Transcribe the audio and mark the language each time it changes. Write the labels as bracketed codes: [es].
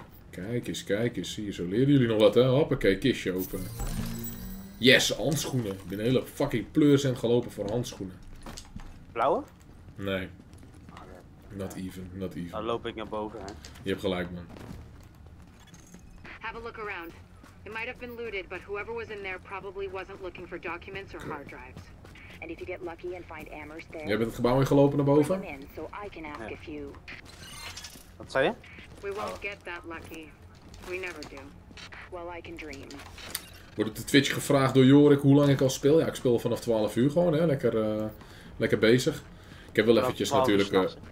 [nl] Kijk eens, hier, zo leren jullie nog wat, hè. Hoppakee, kistje open. Yes, handschoenen. Ik ben een hele fucking pleurcent gelopen voor handschoenen. Blauwe? [en] Nee. Not even, not even. [nl] Dan loop ik naar boven, hè. Je hebt gelijk, man. [en] Have a look around. It might have been looted, but whoever was in there probably wasn't looking for documents or hard drives. And if you get lucky and find Amherst there. [nl] Jij bent het gebouw in gelopen naar boven? [en] In, so I can ask a few. [nl] Wat zei je? [en] We won't get that lucky. We never do. Well, I can dream. [nl] Wordt op de Twitch gevraagd door Jorik hoe lang ik al speel? Ja, ik speel vanaf 12 uur gewoon, hè. Lekker, lekker bezig. Ik heb wel eventjes natuurlijk...